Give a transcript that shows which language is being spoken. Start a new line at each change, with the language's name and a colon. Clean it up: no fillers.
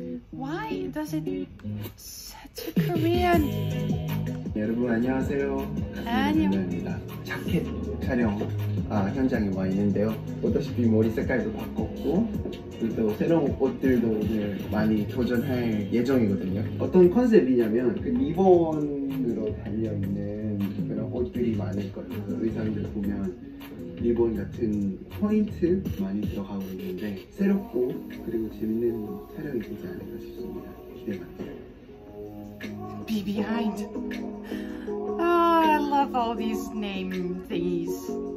English: Why does it set to Korean?
Korean: 여러분 안녕하세요. 안녕하세요. 자켓 촬영 현장에 와 있는데요. 보다시피 머리 색깔도 바꿨고 그리고 새로운 옷들도 오늘 많이 도전할 예정이거든요. 어떤 컨셉이냐면 그 리본으로 달려있는 그런 옷들이 많을 거예요. 의상들 보면 리본 같은 포인트 많이 들어가고 있는데 새롭고 그리고 재밌는 촬영이 되지 않을까 싶습니다. 기대 많아요.
English: Be behind. Oh, I love all these name thingies.